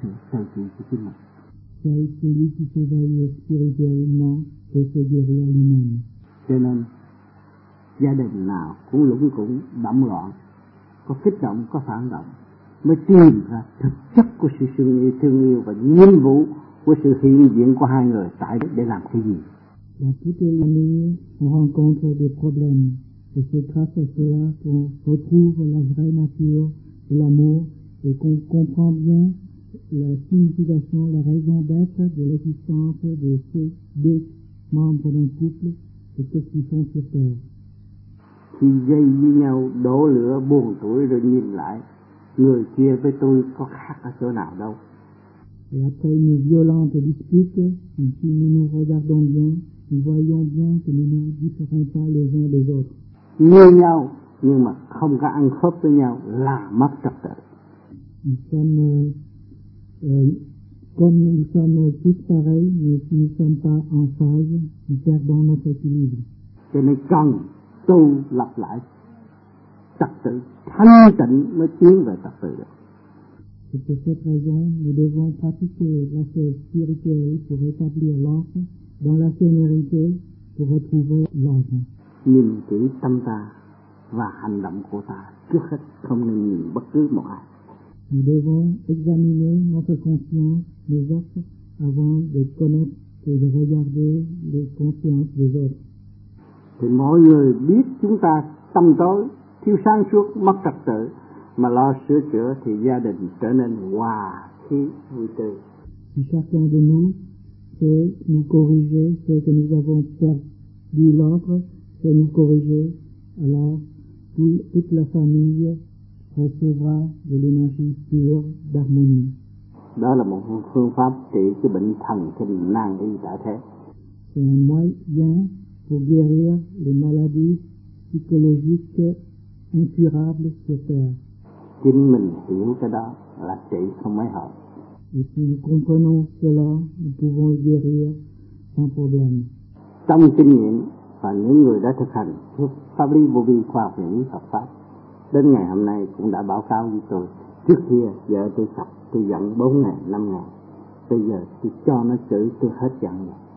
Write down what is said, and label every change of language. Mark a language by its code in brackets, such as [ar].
[fr] Seul celui qui s'éveille spirituellement peut se guérir lui-même. [vi] Cho nên, gia đình nào cũng lũng củng, đậm loạn, có kích động, có phản động, mới tìm ra thực chất của sự thương yêu, và nhiệm vụ của sự hiện diện của hai người tại đó để làm cái gì. [fr] Là toute l'année, on rencontre des problèmes, et c'est grâce à cela qu'on retrouve la vraie nature de l'amour, et qu'on comprend bien la signification, la raison d'être de l'existence de ces deux membres d'un couple, et qu'est-ce qu'ils font sur terre. [vi] Khi dây với nhau đổ lửa buồn tuổi rồi nhìn lại, người kia với tôi có khác ở chỗ nào đâu. [fr] Et après une violente dispute, si nous nous regardons bien, nous voyons bien que nous ne nous différons pas les uns des autres. [vi] Như nhau, nhưng mà không có ăn khớp với nhau là mất trật tự. [fr] Nous sommes tous pareils, mais si nous ne sommes pas en phase, nous perdons notre équilibre. [vi] Cho nên cần tu lập lại trật tự, thanh tịnh mới tiến về trật tự được. [fr] C'est pour cette raison que nous devons pratiquer la chose spirituelle pour rétablir l'ordre dans la sénérité, pour retrouver l'âme. [vi] Nhìn kỹ tâm ta và hành động của ta, trước hết không nên nhìn bất cứ một ai. [fr] Nous devons examiner notre conscience, nos actes, avant de connaître et de regarder les consciences des autres. [vi] Thì mọi người biết chúng ta tâm tối, thiếu sáng suốt, mất trật tự, mà lo sửa chữa thì gia đình trở nên hòa khí vui tươi. [fr] Si chacun de nous sait nous corriger ce que nous avons perdu l'autre, sait nous corriger, alors toute la famille recevra de l'énergie pure d'harmonie. [vi] Đó là một phương pháp trị cái bệnh thần kinh nan y tại thế. [fr] C'est un moyen pour guérir les maladies psychologiques incurables sur terre. [vi] Chính mình hiểu cái đó là trị không mấy hợp. [fr] Et si nous comprenons cela, nous pouvons guérir sans problème. [vi] Trong kinh nghiệm và những người đã thực hành pháp lý vô vi khoa học những Phật pháp đến ngày hôm nay cũng đã báo cáo với tôi. Trước kia vợ tôi sập, tôi giận 4 ngày, 5 ngày. Bây giờ tôi cho nó chửi, tôi hết giận rồi.